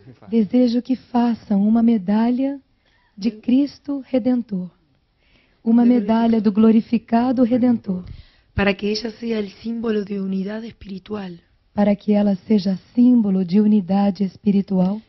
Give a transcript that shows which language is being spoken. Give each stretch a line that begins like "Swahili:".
Portuguese: Desejo que façam uma medalha de Cristo Redentor. Uma medalha do glorificado Redentor.
Spanish: Para que ella sea el símbolo de unidad espiritual.
Portuguese: Para que ela seja símbolo de unidade espiritual.